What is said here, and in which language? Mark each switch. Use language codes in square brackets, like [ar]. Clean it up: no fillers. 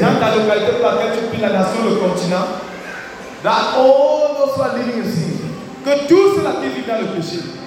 [fr] dans ta localité, par laquelle tu pries la nation, le continent, [en] that all those who are living in sin, [fr] que tous ceux qui vivent dans le péché,